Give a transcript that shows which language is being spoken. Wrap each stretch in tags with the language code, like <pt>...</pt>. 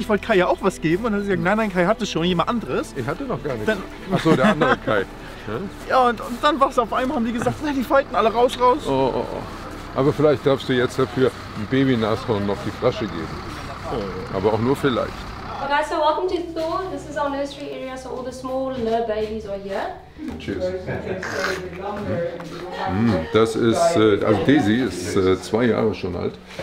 <de>Ich wollte Kai ja auch was geben und dann hat sie gesagt, nein, Kai hatte schon jemand anderes. Ich hatte noch gar nichts. Achso, der andere Kai. Ja, und dann war es auf einmal, haben die gesagt, nein, die fighten alle raus. Oh, oh, oh. Aber vielleicht darfst du jetzt dafür ein Baby-Nashorn noch die Flasche geben. Oh. Aber auch nur vielleicht.</de> <en>Guys, so welcome to Thor. This is our nursery area, so all the small little babies are here. Cheers.</en> <de>Das ist, also Daisy ist 2 Jahre schon alt.</de>